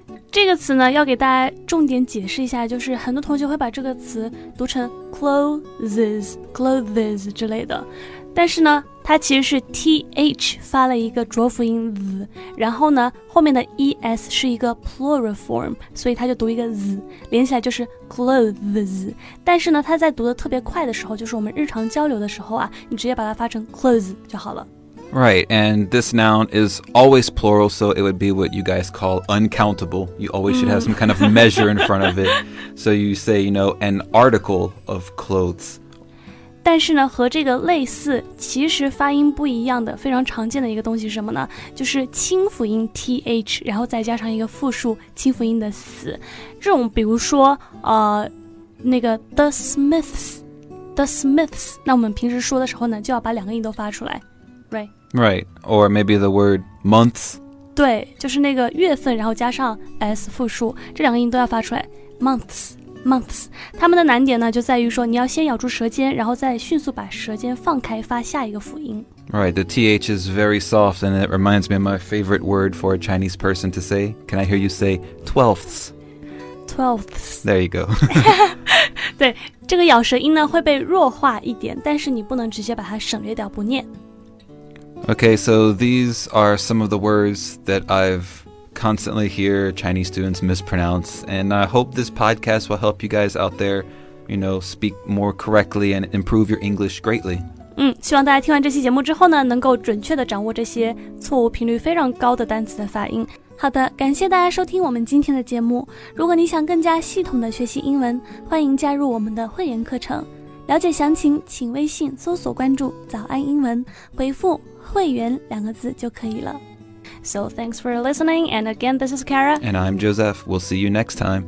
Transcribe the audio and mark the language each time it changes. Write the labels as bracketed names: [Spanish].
[Chinese] 这个词呢要给大家重点解释一下，就是很多同学会把这个词读成 clothes, clothes 之类的，但是呢它其实是 th 发了一个浊辅音 z, 然后呢后面的 es 是一个 [English] plural form, [Chinese] 所以它就读一个 z, 连起来就是 clothes, 但是呢它在读得特别快的时候，就是我们日常交流的时候啊，你直接把它发成 clothes 就好了。 [English] Right, and this noun is always plural, so it would be what you guys call uncountable. You always should have some kind of measure in front of it. So you say, you know, an article of clothes. [Chinese] 但是呢和这个类似其实发音不一样的非常常见的一个东西是什么呢，就是清辅音 th 然后再加上一个复数清辅音的 s, 这种比如说那个 [English] the smiths, [Chinese] 那我们平时说的时候呢就要把两个音都发出来 [English] right, or maybe the word months, [Chinese] 对，就是那个月份然后加上 s 复数，这两个音都要发出来 months, 它们的难点呢就在于说你要先咬住舌尖，然后再迅速把舌尖放开发下一个辅音。 [English] Right, the th is very soft and it reminds me of my favorite word for a Chinese person to say. Can I hear you say twelfths? Twelfths. There you go. [Chinese] 对，这个咬舌音呢会被弱化一点，但是你不能直接把它省略掉不念。 [English] Okay, so these are some of the words that I've... constantly hear Chinese students mispronounce, and I hope this podcast will help you guys out there, you know, speak more correctly and improve your English greatly. [Chinese] 希望大家听完这期节目之后呢，能够准确地掌握这些错误频率非常高的单词的发音。好的，感谢大家收听我们今天的节目。如果你想更加系统地学习英文，欢迎加入我们的会员课程。了解详情，请微信搜索关注“早安英文”，回复“会员”两个字就可以了。 [English] So thanks for listening, and again, this is Kara. And I'm Joseph. We'll see you next time.